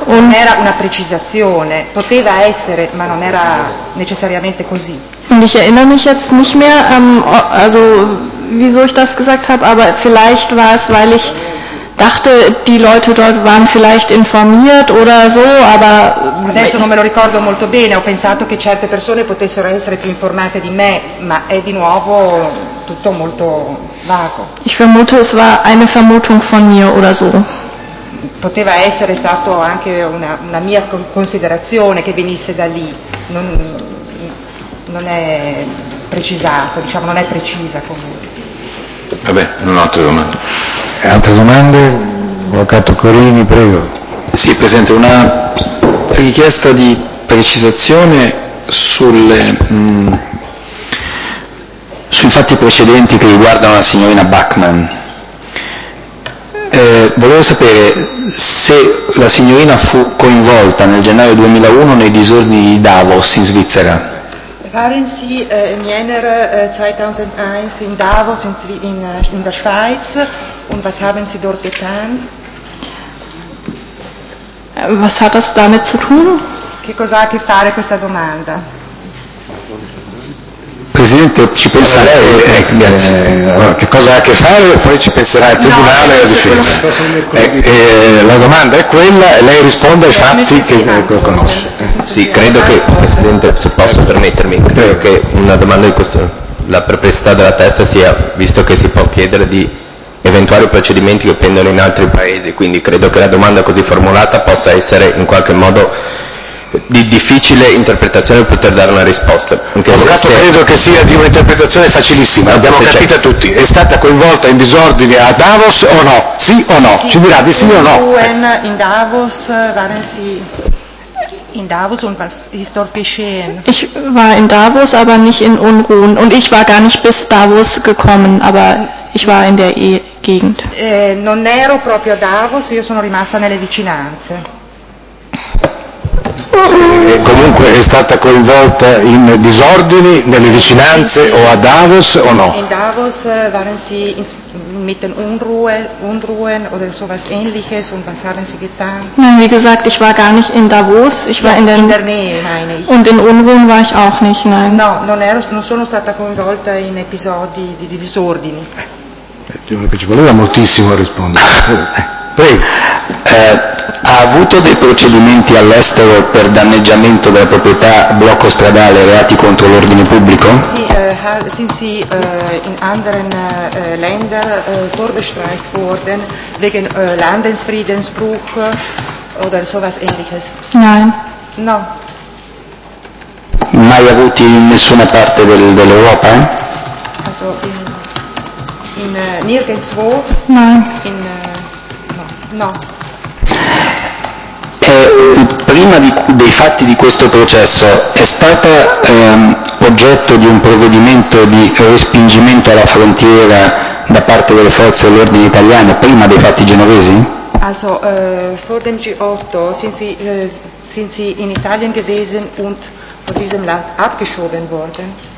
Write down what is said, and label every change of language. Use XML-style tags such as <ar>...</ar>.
<it>Non era una precisazione, poteva essere, ma non era necessariamente così.</it> <de>Und ich erinnere mich jetzt nicht mehr, also wieso ich das gesagt habe, aber vielleicht war es, weil ich dachte, die Leute dort waren vielleicht informiert oder so, aber...</de> <it>Adesso non me lo ricordo molto bene, ho pensato che certe persone potessero essere più informate di me, ma è di nuovo tutto molto vago.</it> <de>Ich vermute, es war eine Vermutung von mir oder so.</de> <it>Poteva essere stato anche una mia considerazione che venisse da lì, non è precisato, diciamo, non è precisa comunque. Vabbè, non ho altre domande. Altre domande? Avvocato Corini, prego. Sì, Presidente, una richiesta di precisazione sui fatti precedenti che riguardano la signorina Bachmann. Volevo sapere se la signorina fu coinvolta nel gennaio 2001 nei disordini di Davos in Svizzera.</it> <de>Waren Sie im Jänner 2001 in Davos in der Schweiz und was haben Sie dort getan? Was hat das damit zu tun?</de> <it>Che cosa ha a che fare questa domanda? Presidente, ci pensa lei, grazie. Allora, che cosa ha a che fare e poi ci penserà il Tribunale e la Difesa. La domanda è quella e lei risponde ai fatti che conosce. Sì, credo che, Presidente, se posso permettermi, credo che una domanda di questo, la perplessità della testa sia, visto che si può chiedere di eventuali procedimenti che pendono in altri paesi, quindi credo che la domanda così formulata possa essere in qualche modo di difficile interpretazione poter dare una risposta. Avvocato, credo che sia di un'interpretazione facilissima, abbiamo capito tutti. È stata coinvolta in disordini a Davos o no? Sì o no? Ci dirà di sì o no?</it> <de>In Davos, waren Sie in Davos und was ist dort geschehen? Ich war in Davos, aber nicht in Unruhen. Und ich war gar nicht bis Davos gekommen, aber ich war in der Gegend.</de> <it>Non ero proprio a Davos, io sono rimasta nelle vicinanze. Comunque è stata coinvolta in disordini nelle vicinanze o a Davos o no?</it> <de>In Davos waren Sie mitten Unruhen oder sowas ähnliches und was haben Sie getan? Nein, wie gesagt, ich war gar nicht in Davos, ich war in der Nähe, meine ich. Und in Unruhen war ich auch nicht, nein.</de> <it>No, non sono stata coinvolta in episodi di disordini. Ci voleva moltissimo rispondere. Prego. ha avuto dei procedimenti all'estero per danneggiamento della proprietà, blocco stradale, reati contro l'ordine pubblico?</it> <de>Sì, in anderen Länder vorbestraft worden wegen Landesfriedensbruch oder sowas ähnliches. Nein.</de> <it>No. Mai avuti in nessuna parte dell'Europa?</it> <de>Also in nirgendwo? Nein.</de> <it>In no. Prima dei fatti di questo processo è stata oggetto di un provvedimento di respingimento alla frontiera da parte delle forze dell'ordine italiane prima dei fatti genovesi?</it> <de>Also vor dem G8 sind sie in Italien gewesen und von diesem Land abgeschoben worden.</de>